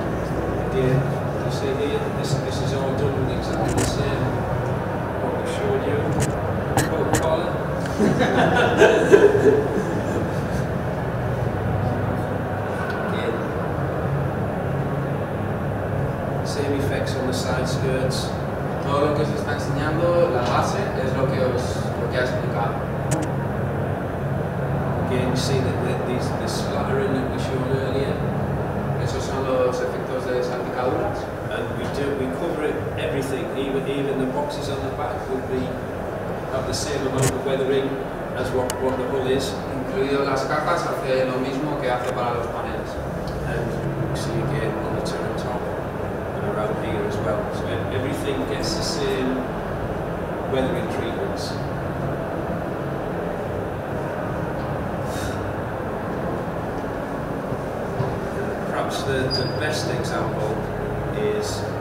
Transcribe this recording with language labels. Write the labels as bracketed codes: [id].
[en] this is all done in exactly the same what we showed you. Same effects on the side skirts. [es] Todo lo que os está enseñando, la base, es lo que os lo que ha explicado. [en] Again, you see that the splattering that we showed earlier. [es] Esos son los efectos de salpicaduras. [en] And we cover it everything, even the boxes on the back would be have the same amount of weathering as what the hull is. [es] Incluido las cajas hace lo mismo que hace para los paneles. [en] And you see again on the turret top and around here as well. So everything gets the same weathering treatments. Perhaps the best example is